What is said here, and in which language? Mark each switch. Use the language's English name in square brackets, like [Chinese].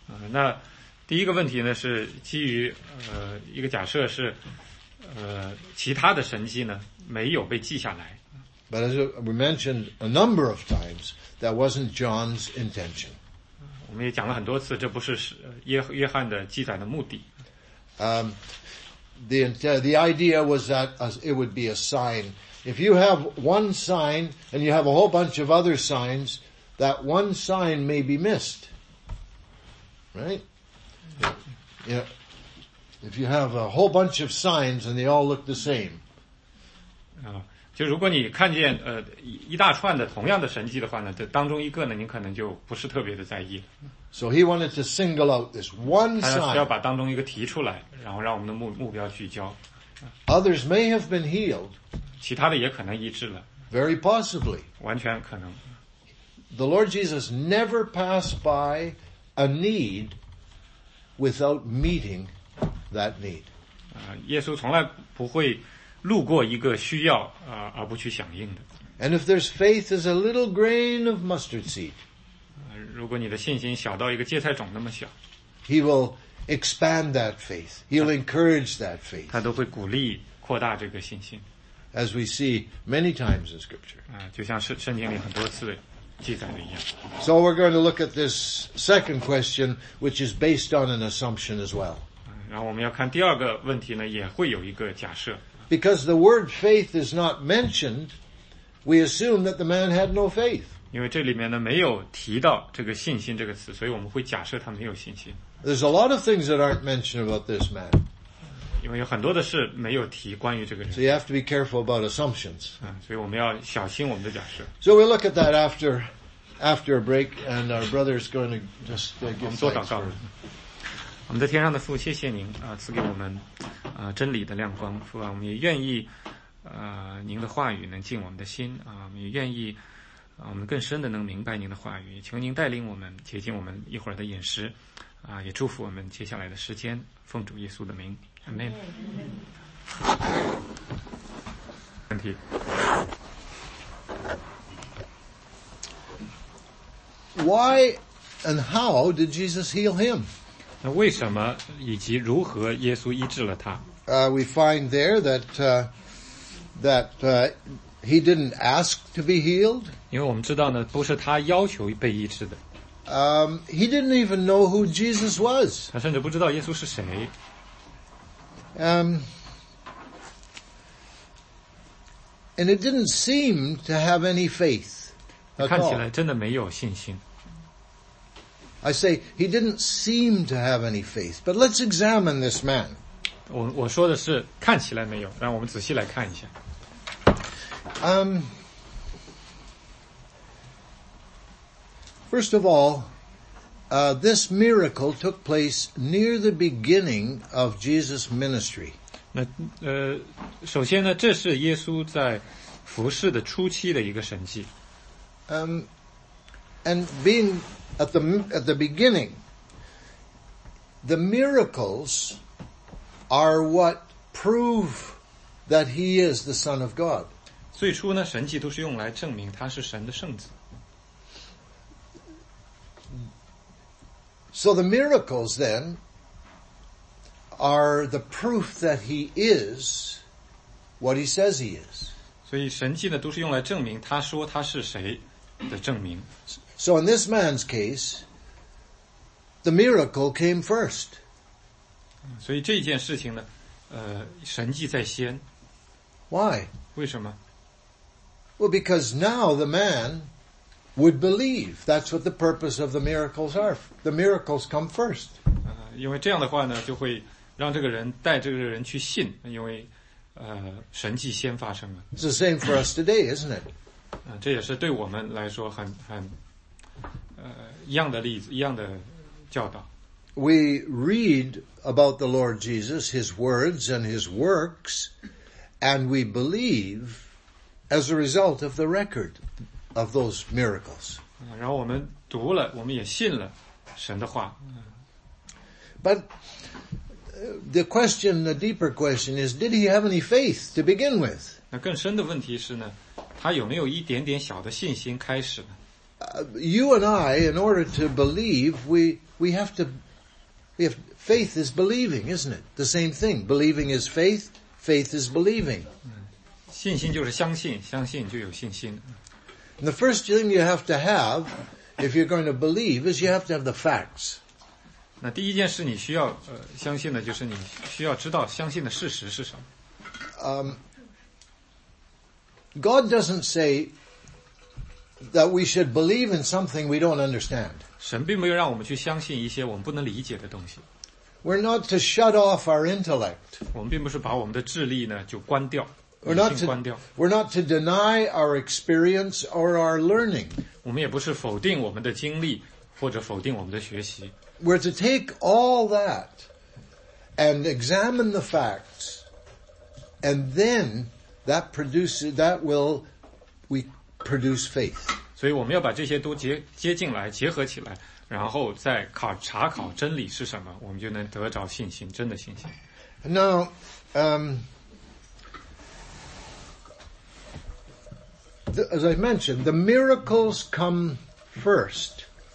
[Chinese] 那第一个问题呢是基于一个假设是其他的神迹呢没有被记下来。 [English] But as we mentioned a number of times, that wasn't John's intention. [Chinese] 我们也讲了很多次，这不是约翰的记载的目的。 [English] The idea was that it would be a sign. If you have one sign and you have a whole bunch of other signs, that one sign may be missed. Right? Yeah. If you have a whole bunch of signs and they all look the same. [Chinese] 就如果你看见一大串的同样的神迹的话呢，这当中一个呢你可能就不是特别的在意。 [English] So he wanted to single out this one sign. [Chinese] 他要把当中一个提出来，然后让我们的目标聚焦。 [English] Others may have been healed. [Chinese] 其他的也可能医治了。 [English] Very possibly. [Chinese] 完全可能。 [English] The Lord Jesus never passed by a need. Without meeting that need. [Chinese] 耶稣从来不会路过一个需要而不去响应的。 [English] And if there's faith as a little grain of mustard seed, [Chinese] 如果你的信心小到一个芥菜种那么小， [English] He will expand that faith. He'll encourage that faith. [Chinese] 他都会鼓励扩大这个信心。 [English] As we see many times in scripture. [Chinese] 就像圣经里很多次记载的一样。 [English] So we're going to look at this second question, which is based on an assumption as well. [Chinese] 然后我们要看第二个问题呢，也会有一个假设。 [English] Because the word faith is not mentioned, we assume that the man had no faith. [Chinese] 因为这里面呢没有提到这个信心这个词，所以我们会假设他没有信心。 [English] There's a lot of things that aren't mentioned about this man. [Chinese] 因为有很多的事没有提关于这个人。 [English] So you have to be careful about assumptions. [Chinese] 所以我们要小心我们的假设。 [English] So we'll look at that after a break, and our brother is going to just give thanks. [Chinese] 做祷告。我们的天上的父，谢谢您赐给我们真理的亮光。父啊，我们也愿意您的话语能进我们的心我们也愿意我们更深的能明白您的话语。求您带领我们，接近我们一会儿的饮食也祝福我们接下来的时间。奉主耶稣的名。Amen. 问题。 [English] Why and how did Jesus heal him? [Chinese] 那为什么以及如何耶稣医治了他？ [English] We find there that he didn't ask to be healed. [Chinese] 因为我们知道呢，不是他要求被医治的。 [English] He didn't even know who Jesus was. [Chinese] 他甚至不知道耶稣是谁。 [English] And it didn't seem to have any faith. [Chinese] 看起来真的没有信心。 [English] I say he didn't seem to have any faith, but let's examine this man. [Chinese] 我说的是看起来没有，让我们仔细来看一下。 [English] First of all, this miracle took place near the beginning of Jesus' ministry. [Chinese] 那首先呢，这是耶稣在服事的初期的一个神迹。 [English] And being at the beginning, the miracles are what prove that he is the Son of God. [Chinese] 最初呢，神迹都是用来证明他是神的圣子。 [English] So the miracles then are the proof that he is what he says he is. [Chinese] 所以神迹呢都是用来证明他说他是谁的证明。 [English] So in this man's case, the miracle came first. [Chinese] 所以这件事情呢神迹在先。 [English] Why? [Chinese] 为什么? [English] Well, because now the man would believe. That's what the purpose of the miracles are. The miracles come first. [Chinese] 因为这样的话呢，就会让这个人带这个人去信，因为神迹先发生了。 [English] It's the same for us today, isn't it? [Chinese] 这也是对我们来说很一样的例子，一样的教导。 [English] We read about the Lord Jesus, His words and His works, and we believe as a result of the record of those miracles. [Chinese] 然后我们读了，我们也信了神的话。 [English] But the question, the deeper question is, did he have any faith to begin with? [Chinese] 那更深的问题是呢，他有没有一点点小的信心开始呢？ [English] You and I, in order to believe, we have faith is believing, isn't it? The same thing. Believing is faith. Faith is believing. [Chinese] 信心就是相信，相信就有信心。 [English] The first thing you have to have, if you're going to believe, is you have to have the facts. [Chinese] 那第一件事你需要相信的就是你需要知道相信的事实是什么。 [English] God doesn't say that we should believe in something we don't understand. [Chinese] 神并没有让我们去相信一些我们不能理解的东西。 [English] We're not to shut off our intellect. [Chinese] 我们并不是把我们的智力呢就关掉。 [English] We're not to deny our experience or our learning. [Chinese] 我们也不是否定我们的经历或者否定我们的学习。 [English] We're to take all that and examine the facts, and then we produce faith. [Chinese] 所以我们要把这些都接进来，结合起来，然后再查考真理是什么，我们就能得着信心，真的信心。 [English] Now, as I mentioned, the miracles come first.